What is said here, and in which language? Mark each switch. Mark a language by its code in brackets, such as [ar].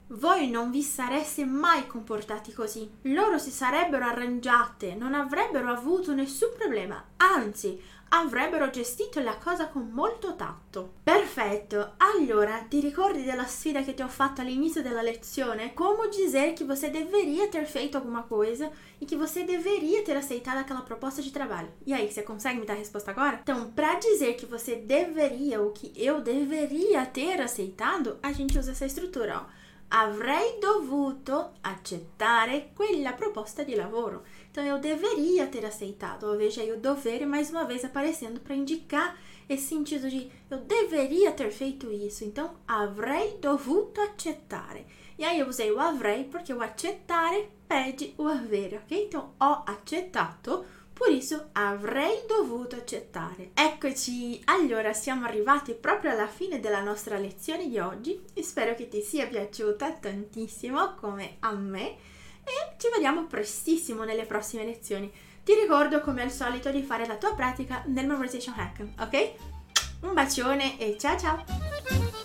[it] Voi non vi sareste mai comportati così. Loro si sarebbero arrangiate, non avrebbero avuto nessun problema, anzi, avrebbero gestito la cosa con molto tatto. Perfetto, allora ti ricordi della sfida che ti ho fatto all'inizio della lezione? [pt] Come dizer que você deveria ter feito alguma coisa e que você deveria ter aceitado aquela proposta de trabalho? E aí, você consegue me dar a resposta agora? Então, para dizer que você deveria ou que eu deveria ter aceitado, a gente usa essa estrutura, ó. [it] Avrei dovuto accettare quella proposta di lavoro. [pt] Então, eu deveria ter aceitado. Veja aí o dovere mais uma vez aparecendo para indicar esse sentido de eu deveria ter feito isso. Então, [it] avrei dovuto accettare. [pt] E aí eu usei o avrei porque o accettare pede o avere, ok? Então, [it] ho accettato. [pt] Por isso avrei dovuto accettare. [it] Eccoci, allora siamo arrivati proprio alla fine della nostra lezione di oggi. Spero che ti sia piaciuta tantissimo come a me. E ci vediamo prestissimo nelle prossime lezioni. Ti ricordo come al solito di fare la tua pratica nel Memorization Hack, ok? Un bacione e ciao ciao!